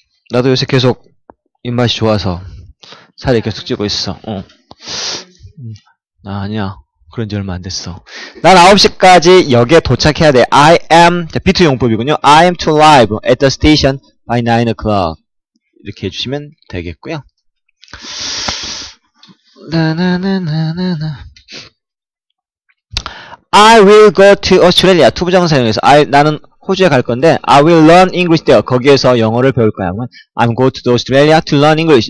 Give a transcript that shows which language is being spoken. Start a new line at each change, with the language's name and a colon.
Korean: 나도 요새 계속 입맛이 좋아서 살이 계속 찌고 있어. 어. 나 아니야. 그런 지 얼마 안 됐어. 난 9시까지 역에 도착해야 돼.
English: I am,
Korean: 자, B2 용법이군요.
English: I am to arrive at the station by 9 o'clock.
Korean: 이렇게 해주시면 되겠고요. 나나나나나나.
English: I will go to Australia.
Korean: 투부정 사용해서
English: I
Korean: 나는 호주에 갈 건데
English: I will learn English there.
Korean: 거기에서 영어를 배울 거야.
English: I'm go to Australia to learn English.